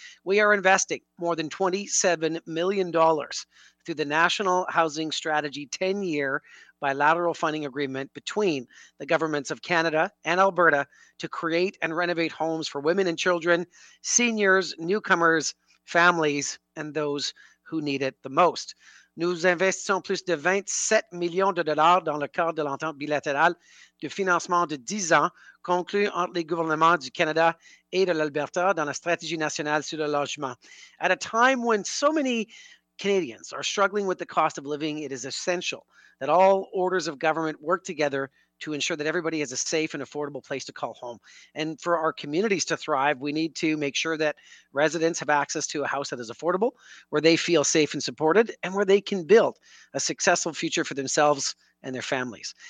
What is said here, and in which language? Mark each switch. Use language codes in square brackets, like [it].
[en] We are investing more than $27 million through the National Housing Strategy 10-year bilateral funding agreement between the governments of Canada and Alberta to create and renovate homes for women and children, seniors, newcomers, families, and those who need it the most. [fr] Nous investissons plus de 27 millions de dollars dans le cadre de l'entente bilatérale de financement de 10 ans conclue entre les gouvernements du Canada et de l'Alberta dans la stratégie nationale sur le logement. [en] At a time when so many Canadians are struggling with the cost of living, it is essential that all orders of government work together to ensure that everybody has a safe and affordable place to call home. And for our communities to thrive, we need to make sure that residents have access to a house that is affordable, where they feel safe and supported, and where they can build a successful future for themselves and their families.